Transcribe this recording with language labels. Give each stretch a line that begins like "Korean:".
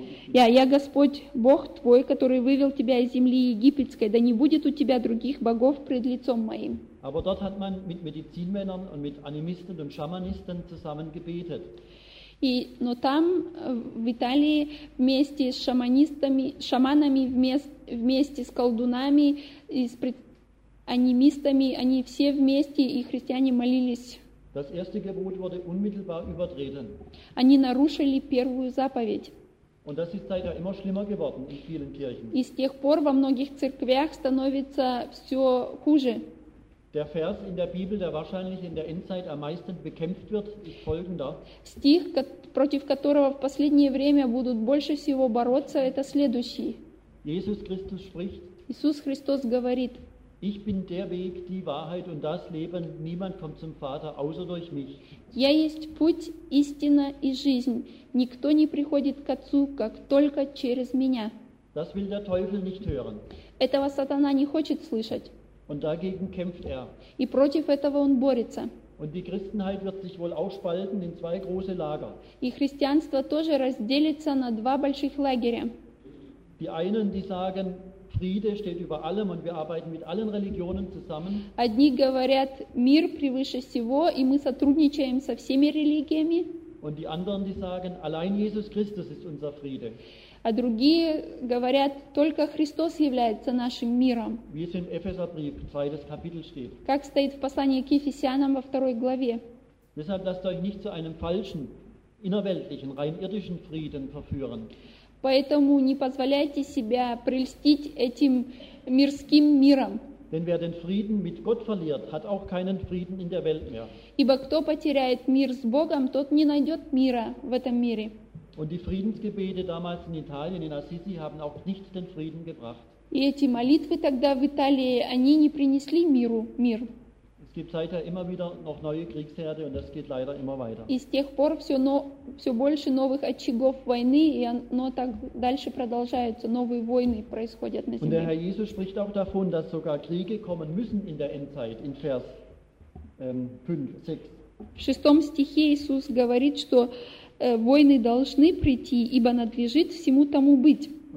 Russian: Я Господь, Бог твой, который вывел тебя из земли египетской, да не будет у тебя других богов пред лицом моим.
German: Aber dort hat man mit Medizinmännern und mit Animisten und Schamanisten zusammen gebetet.
Russian: Но там, в Италии, вместе с шаманами, вместе с колдунами, анимистами, они все вместе, и христиане молились.
German: Das erste Gebot wurde unmittelbar übertreten.
Russian: Они нарушили первую заповедь.
German: Und das ist seither immer schlimmer geworden in vielen Kirchen.
Russian: И с тех пор во многих церквях становится все хуже.
German: Der Vers in der Bibel, der wahrscheinlich in der Endzeit am meisten bekämpft wird, ist folgender.
Russian: Стих, против которого в последнее время будут больше всего бороться, это следующий.
German: Jesus Christus spricht.
Russian: Иисус Христос говорит.
German: Ich bin der Weg, die Wahrheit und das Leben. Niemand kommt zum Vater außer durch mich.
Russian: Я есть путь, истина и жизнь. Никто не приходит к Отцу, как только через меня.
German: Das will der Teufel nicht hören.
Russian: Этого сатана не хочет слышать.
German: Und dagegen kämpft er.
Russian: И против этого он борется.
German: Und die Christenheit wird sich wohl auch spalten in zwei große Lager.
Russian: И христианство тоже разделится на два больших лагеря.
German: Die einen, die sagen, Friede steht über allem und wir arbeiten mit allen Religionen zusammen.
Russian: Одни говорят, мир превыше всего, и мы сотрудничаем со всеми религиями.
German: Und die anderen, die sagen, allein Jesus Christus ist unser Friede.
Russian: А другие говорят, только Христос является нашим миром.
German: Wie es im Epheserbrief, zweites Kapitel steht.
Russian: Как стоит в послании к Ефесянам во второй главе.
German: Deshalb lasst euch nicht zu einem falschen, innerweltlichen, rein irdischen Frieden verführen.
Russian: Поэтому не позволяйте себя прельстить этим мирским миром.
German: Denn wer den Frieden mit Gott verliert, hat auch keinen Frieden in der Welt mehr.
Russian: Ибо кто потеряет мир с Богом, тот не найдет мира в этом мире.
German: Und die Friedensgebete damals in Italien, in Assisi, haben auch nicht den Frieden gebracht.
Russian: И эти молитвы тогда в Италии, они не принесли миру мир.
German: Es gibt seither immer wieder noch neue Kriegsherde und das geht leider immer weiter.
Russian: И с тех пор все больше новых очагов войны, и оно так дальше продолжается, новые войны происходят на земле.
German: Und der Herr Jesus spricht auch davon, dass sogar Kriege kommen müssen in der Endzeit, in Vers 5-6.
Russian: В шестом стихе Иисус говорит, что войны должны прийти, ибо надлежит всему тому быть.